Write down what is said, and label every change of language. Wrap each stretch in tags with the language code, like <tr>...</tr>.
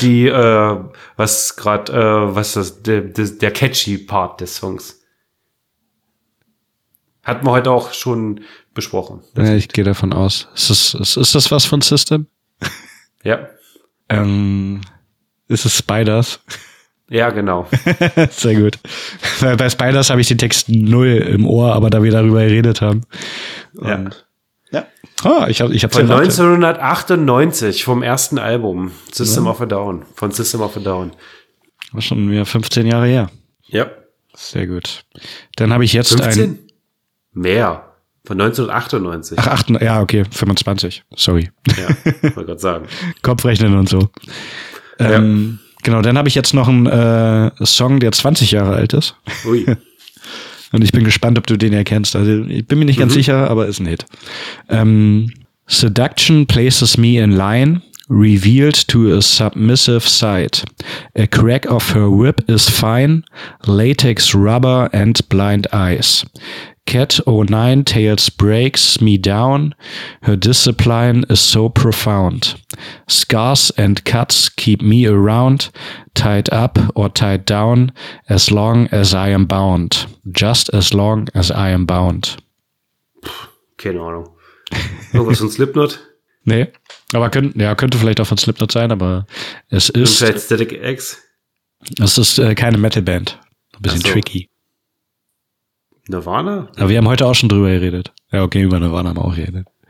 <de>Die, was gerade, was das, der catchy Part des Songs. Hatten wir heute auch schon besprochen. Ja, Lied. Ich gehe davon aus. Ist das was von System? Ja. Ist es Spiders? Ja, genau. Sehr gut. Bei Spiders habe ich den Text null im Ohr, aber da wir darüber geredet haben. Ja. Ja. Ah, ich hab von 1998 vom ersten Album System of a Down. Von System of a Down. War schon mehr 15 Jahre her. Ja. Sehr gut. Dann habe ich jetzt 15? Ein. Mehr. Von 1998. Ach, okay. 25. Sorry. Ja, wollte gerade sagen. Kopfrechnen und so. Ja. Genau, dann habe ich jetzt noch einen Song, der 20 Jahre alt ist. Ui. Und ich bin gespannt, ob du den erkennst. Also ich bin mir nicht ganz sicher, aber ist ein Hit.</de> <en>Seduction places me in line, revealed to a submissive sight. A crack of her whip is fine, latex rubber and blind eyes. Cat O9 tails breaks me down, her discipline is so profound. Scars and cuts keep me around, tied up or tied down, as long as I am bound. Just as long as I am bound.</en> <de>Puh, keine Ahnung. Irgendwas von Slipknot? Nee, aber könnte vielleicht auch von Slipknot sein, aber es ist. Und vielleicht Static X? Es ist keine Metalband. Ein bisschen so. Tricky. Nirvana? Aber wir haben heute auch schon drüber geredet. Ja, okay, über Nirvana haben wir auch geredet.</de>